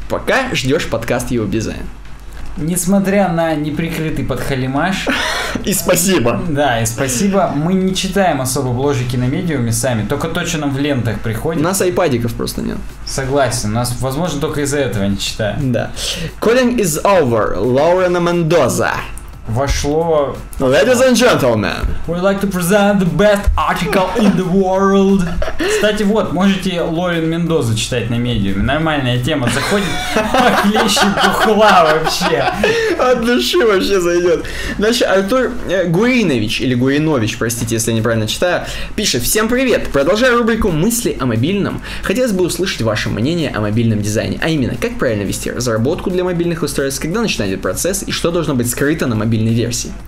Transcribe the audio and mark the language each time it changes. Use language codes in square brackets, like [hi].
[ru] Пока ждешь подкаст его дизайн. Несмотря на неприкрытый подхалимаш... И спасибо. Да, и спасибо. Мы не читаем особо бложики на медиуме сами, только то, что нам в лентах приходит. У нас айпадиков просто нет. Согласен, нас, возможно, только из-за этого не читаем. Да. [en] Calling is over, Лорена Мендоза. [ru] Вошло... [en] Ladies and gentlemen, we'd like to present the best article in the world. [ru] Кстати, вот, можете Лорен Мендозу читать на медиуме. Нормальная тема, заходит похлеще бухла вообще. От души вообще зайдет. Дальше Артур Гуринович, или Гуринович, простите, если я неправильно читаю, пишет: всем привет, продолжая рубрику «Мысли о мобильном», хотелось бы услышать ваше мнение о мобильном дизайне, а именно, как правильно вести разработку для мобильных устройств, когда начинается процесс и что должно быть скрыто на мобильной версии.